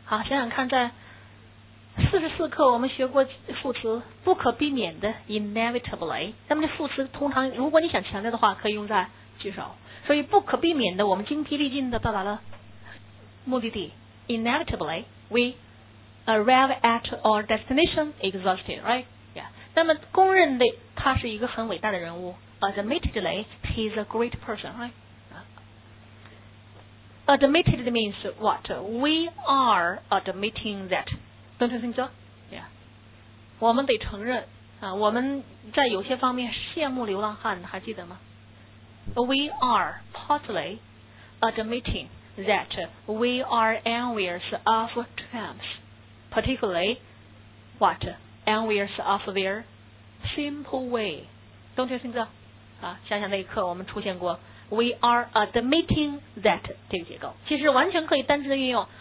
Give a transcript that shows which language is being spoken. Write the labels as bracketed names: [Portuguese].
[Chinese] 好，想想看，在44课我们学过副词不可避免的 inevitably， 那么这副词通常如果你想强调的话可以用在句首，所以不可避免的我们精疲力尽的到达了目的地。 [English] Inevitably we arrive at our destination exhausted, right? Yeah. [Chinese] 那么公认的他是一个很伟大的人物， [English] Admittedly he is a great person, right? Admittedly means what? We are admitting that. Don't you think so? Yeah. [Chinese] 我们得承认、我们在有些方面羡慕流浪汉，还记得吗？ [English] We are partly admitting that we are envious of tramps. Particularly what? Envious of their simple way. Don't you think so? [Chinese] 想想那一刻我们出现过 [English] We are admitting that [Chinese] 这个结构，其实完全可以单词的运用。